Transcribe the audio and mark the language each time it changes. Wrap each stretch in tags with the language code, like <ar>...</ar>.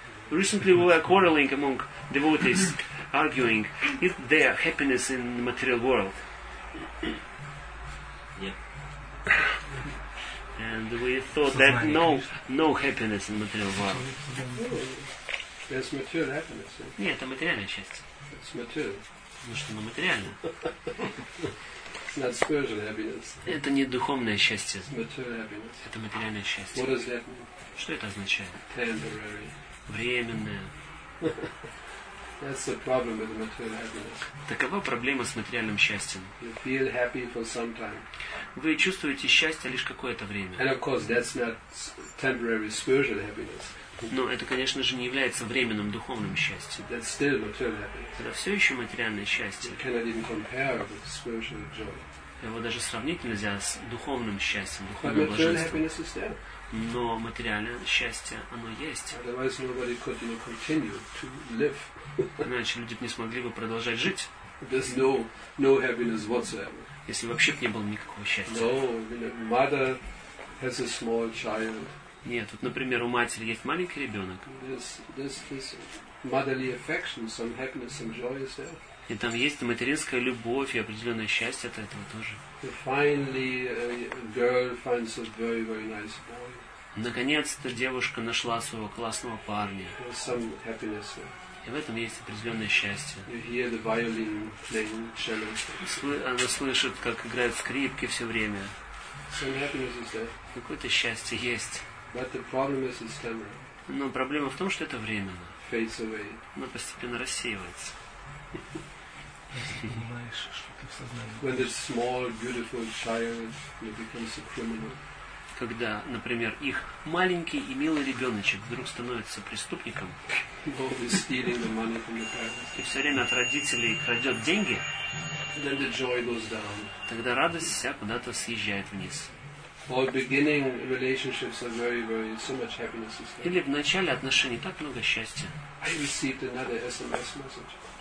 <en>Recently we were quarreling among devotees, arguing, is there happiness in the material world? Yeah. And we thought that no happiness in the material world. Oh, there's material happiness.</en> <ru>Нет, это материальная счастье.</ru> <en>It's material.</en> <ru>Ну что, оно материально.</ru> <en>It's not spiritual happiness.</en> <ru>Это не духовное счастье.</ru> <en>It's material happiness.</en> <ru>Это материальное счастье.</ru> <en>What does that mean?</en> <ru>Что это означает?</ru> <en>Temporary.</en> <ru>Временное.</ru> <en>That's the problem with material happiness.</en> <ru>Такова проблема с материальным счастьем.</ru> <en>You feel happy for some time.</en> <ru>Вы чувствуете счастье лишь какое-то время.</ru> <en>And of course, that's not temporary spiritual happiness.</en> <ru>Но это, конечно же, не является временным духовным счастьем.</ru> <en>That's still material happiness.</en> <ru>Это все еще материальное счастье.</ru> <en>You cannot even compare with spiritual joy.</en> <ru>Его даже сравнить нельзя с духовным счастьем, духовным блаженством.</ru> <en>But material happiness is there.</en> <ru>Но материальное счастье, оно есть.</ru> <en>Otherwise nobody could, you know, continue to live.</en> <ru>Иначе люди бы не смогли бы продолжать жить.</ru> <en>There's no happiness whatsoever.</en> <ru>Если вообще бы не было никакого счастья.</ru> <en>No, you know, mother has a small child.</en> <ru>Нет, вот, например, у матери есть маленький ребенок.</ru> <en>This motherly affection, some happiness, some joy is there.</en> <ru>И там есть материнская любовь и определенное счастье от этого тоже.</ru> <en>Finally, a girl finds a very, very nice boy.</en> <ru>Наконец-то девушка нашла своего классного парня.</ru> <en>Some happiness.</en> <ru>И в этом есть определенное счастье.</ru> <en>You hear the violin playing cello.</en> <ru>Она слышит, как играют скрипки все время.</ru> <en>Some happiness is there.</en> <ru>Какое-то счастье есть.</ru> <en>But the problem is it's temporary.</en> <ru>Но проблема в том, что это временно.</ru> <en>Fades away.</en> <ru>Оно постепенно рассеивается.</ru> <en>When this small, beautiful child becomes a criminal.</en> <ru>Когда, например, их маленький и милый ребеночек вдруг становится преступником.</ru> <en>People is stealing the money from the parents.</en> <ru>И все время от родителей крадет деньги.</ru> <en>Then the joy goes down.</en> <ru>Тогда радость вся куда-то съезжает вниз.</ru> <en>Or beginning relationships are very, very so much happiness is there.</en> <ru>Или в начале отношений так много счастья.</ru> <en>I received another SMS message.</en>